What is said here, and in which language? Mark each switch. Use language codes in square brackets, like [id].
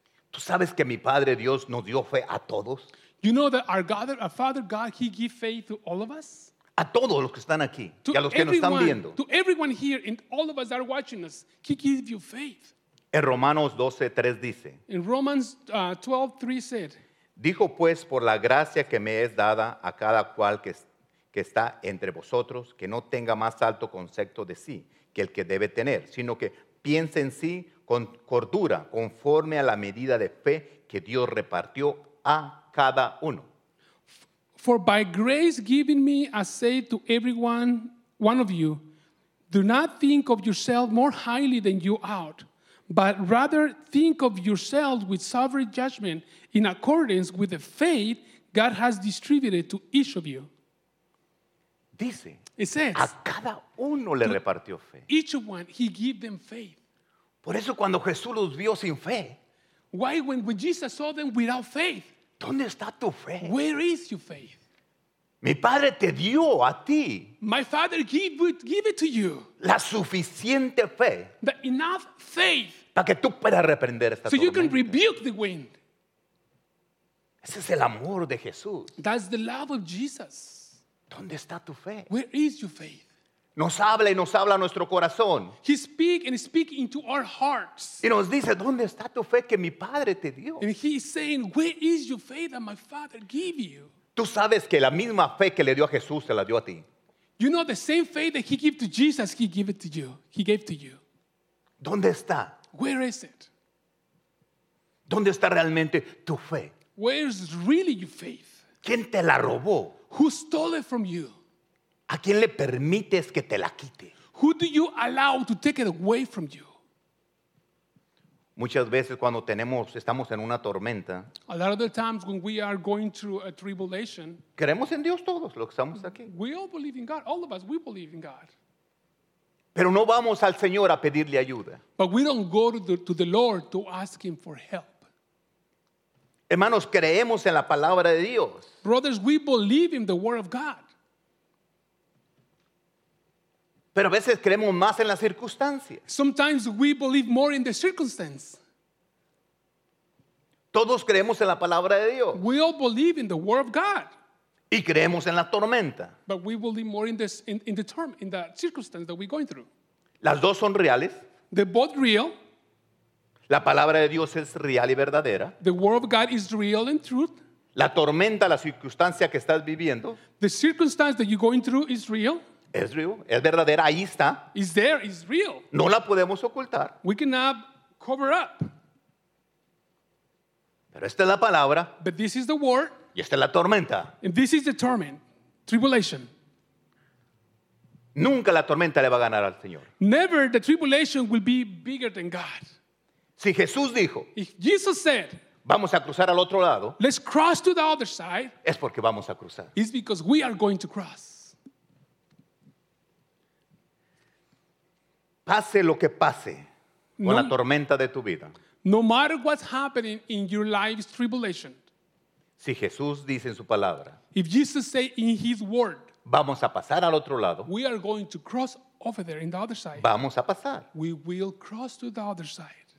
[es] ¿Tú sabes que mi Padre Dios nos dio fe a todos? [en] You know that our Father God, he gives faith to all of us? [es] A todos los que están aquí y a los que nos están viendo. [en] To everyone here and all of us that are watching us, he gives you faith. [es] En Romanos 12:3 dice. [en] In Romans 12:3 said. [es] Dijo pues por la gracia que me es dada a cada cual que está entre vosotros, que no tenga más alto concepto de sí que el que debe tener, sino que piense en sí con cordura, conforme a la medida de fe que Dios repartió a cada uno. [en] For by grace given me, I say to everyone, one of you, do not think of yourself more highly than you ought, but rather think of yourself with sovereign judgment in accordance with the faith God has distributed to each of you. [es] Dice, [en] it says, [es] a cada uno le repartió fe. [en] Each one, he gave them faith. [es] Por eso cuando Jesús los vio sin fe. [en] Why when Jesus saw them without faith? [es] ¿Dónde está tu fe? [en] Where is your faith? [es] Mi Padre te dio a ti. [en] My Father gave it to you. [es] La suficiente fe. [en] The enough faith. [es] Para que tú puedas reprender esta tormenta. [en] So you can rebuke the wind. [es] Ese es el amor de Jesús. [en] That's the love of Jesus. [es] ¿Dónde está tu fe? [en] Where is your faith? [es] Nos habla nuestro corazón. [en] He speaks and speaks into our hearts. [es] Y nos dice, ¿dónde está tu fe que mi Padre te dio? [en] And he is saying, where is your faith that my Father gave you? [es] Tú sabes que la misma fe que le dio a Jesús se la dio a ti. [en] You know the same faith that he gave to Jesus, he gave it to you. He gave to you. [es] ¿Dónde está? [en] Where is it? [es] ¿Dónde está realmente tu fe? [en] Where is really your faith? [es] ¿Quién te la robó? [en] Who stole it from you? [es] ¿A quién le permites que te la quite? [en] Who do you allow to take it away from you? [es] Muchas veces cuando estamos en una tormenta. [en] A lot of the times when we are going through a tribulation. [es] Creemos en Dios todos los que estamos aquí. [en] We all believe in God. All of us, we believe in God. [es] Pero no vamos al Señor a pedirle ayuda. [en] But we don't go to the Lord to ask him for help. [es] Hermanos, creemos en la palabra de Dios. [en] Brothers, we believe in the word of God. [es] Pero a veces creemos más en las circunstancias. [en] Sometimes we believe more in the circumstance. [es] Todos creemos en la palabra de Dios. [en] We all believe in the word of God. [es] Y creemos en la tormenta. [en] But we believe more in this in the term in the circumstance that we're going through. [es] Las dos son reales. [en] They're both real. [es] La palabra de Dios es real y verdadera. [en] The word of God is real and truth. [es] La tormenta, la circunstancia que estás viviendo. [en] The circumstance that you're going through is real. [es] Es real, es verdadera, ahí está. [en] It's there, it's real. [es] No la podemos ocultar. [en] We cannot cover up. [es] Pero esta es la palabra. [en] But this is the word. [es] Y esta es la tormenta. [en] And this is the torment, tribulation. [es] Nunca la tormenta le va a ganar al Señor. [en] Never the tribulation will be bigger than God. [es] Si Jesús dijo, [en] if Jesus said, [es] vamos a cruzar al otro lado, [en] let's cross to the other side, [es] es porque vamos a cruzar. [en] It's because we are going to cross. [es] Pase lo que pase con la tormenta de tu vida. [en] No matter what's happening in your life's tribulation. [es] Si Jesús dice en su palabra, [en] if Jesus say in his word, [es] vamos a pasar al otro lado. [en] We are going to cross over there in the other side. [es] Vamos a pasar. [en] We will cross to the other side.